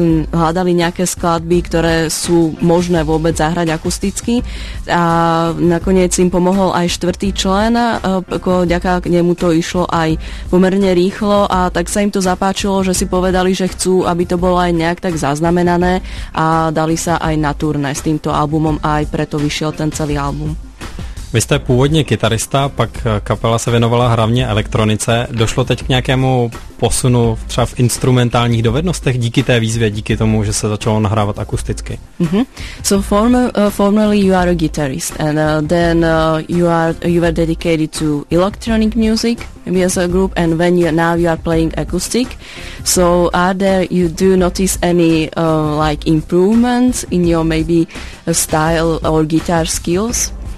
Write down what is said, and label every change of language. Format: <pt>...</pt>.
<sk>hľadali nejaké skladby, ktoré sú možné vôbec zahrať akusticky, a nakoniec im pomohol aj štvrtý člen, ako ďaká k nemu to išlo aj pomerne rýchlo, a tak sa im to zapáčilo, že si povedali, že chcú, aby to bolo aj nejak tak zaznamenané, a dali sa aj na turné s týmto albumom, a aj preto vyšiel ten celý album.</sk> <cs>Vy jste původně kytarista, pak kapela se věnovala hlavně elektronice. Došlo teď k nějakému posunu třeba v instrumentálních dovednostech díky té výzvě, díky tomu, že se začalo nahrávat akusticky? Mm-hmm.</cs> <en>So formerly you are a guitarist and then you were dedicated to electronic music maybe as a group and when you now you are playing acoustic. So are there you do notice any like improvements in your maybe style or guitar skills?</en>